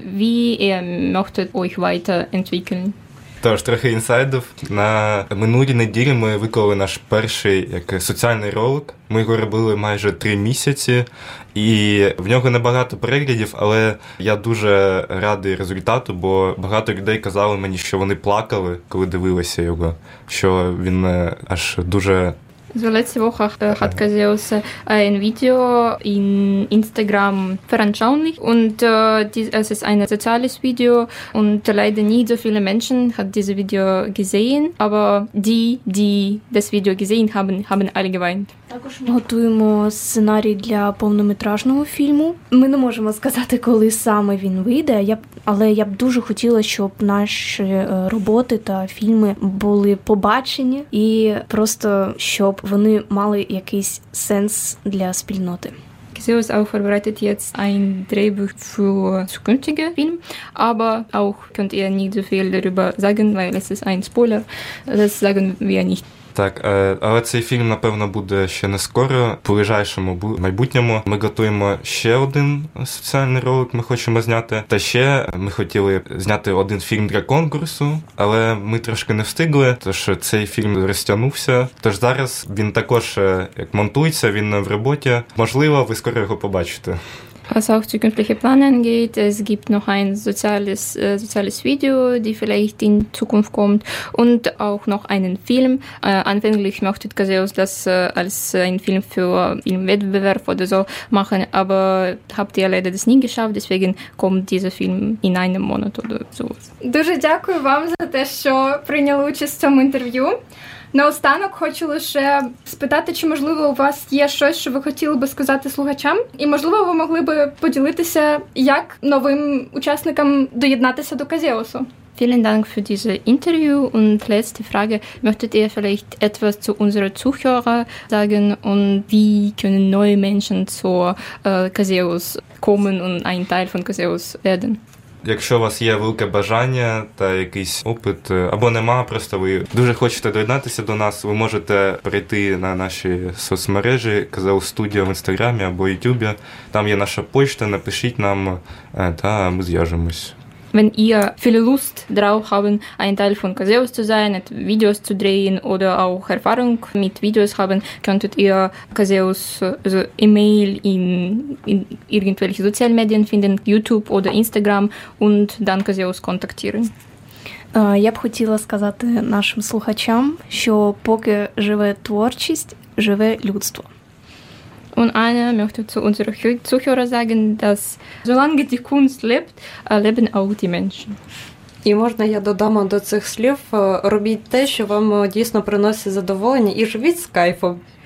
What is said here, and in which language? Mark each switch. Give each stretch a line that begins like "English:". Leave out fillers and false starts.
German: Wie ihr möchtet euch weiterentwickeln?
Ukrainian: Тож, трохи інсайдів. На минулій неділі ми виклали наш перший як соціальний ролик. Ми його робили майже 3 місяці, і в нього небагато переглядів, але я дуже радий результату, бо багато людей казали мені, що вони плакали, коли дивилися його, що він аж дуже...
German: So letzte Woche hat Casillas ein Video in Instagram veranschaulicht und es ist ein soziales Video und leider nicht so viele Menschen hat dieses Video gesehen, aber die, die das Video gesehen haben, haben alle geweint.
Ukrainian: Також ми готуємо сценарій для повнометражного фільму. Ми не можемо сказати, коли саме він вийде, але я б дуже хотіла, щоб наші роботи та фільми були побачені і просто, щоб вони мали якийсь сенс для спільноти.
German: Casillas auch vorbereitet jetzt ein Drehbuch für zukünftige Film, aber auch könnt ihr nicht so viel darüber sagen, weil es ist ein Spoiler. Das sagen wir nicht.
Ukrainian: Так, але цей фільм, напевно, буде ще не скоро, в ближайшому майбутньому. Ми готуємо ще один соціальний ролик, ми хочемо зняти. Та ще ми хотіли зняти один фільм для конкурсу, але ми трошки не встигли, тож цей фільм розтягнувся. Тож зараз він також як монтується, він в роботі. Можливо, ви скоро його побачите.
German: Was auch zukünftige Pläne angeht, es gibt noch ein soziales Video, die vielleicht in Zukunft kommt und auch noch einen Film. Anfänglich möchte Casillas das als ein Film für Filmwettbewerb oder so machen, aber habt ihr leider das nie geschafft, deswegen kommt dieser Film in einem Monat oder sowas.
Ukrainian: Дуже дякую вам за те, що прийняли участь в цьому інтерв'ю. Наостанок хочу лише спитати, чи можливо у вас є щось, що ви хотіли би сказати слухачам? І можливо ви могли би поділитися, як новим учасникам доєднатися до Казеосу?
German: Vielen Dank für dieses Interview und letzte Frage. Möchtet ihr vielleicht etwas zu unseren Zuhörern sagen und wie können neue Menschen zur Casillas kommen und ein Teil von Casillas werden?
Ukrainian: Якщо у вас є велике бажання та якийсь опит, або нема, просто ви дуже хочете доєднатися до нас, ви можете перейти на наші соцмережі, Казеус Студіо в Інстаграмі або Ютубі. Там є наша почта, напишіть нам, та ми зв'яжемось.
German: Wenn ihr viel Lust drauf haben, ein Teil von Casillas zu sein, Videos zu drehen oder auch Erfahrung mit Videos haben, könntet ihr Casillas also E-Mail in irgendwelche sozialen Medien finden, YouTube oder Instagram und dann Casillas kontaktieren.
Ukrainian: Я б хотіла сказати нашим слухачам, що поки живе творчість, живе людство.
German: Und Anna möchte zu unseren Zuhörern sagen, dass solange die Kunst lebt, leben auch die Menschen.
Ukrainian: І можна я додам до цих слів, робіть те, що вам дійсно приносить задоволення, і живіть з кайфом.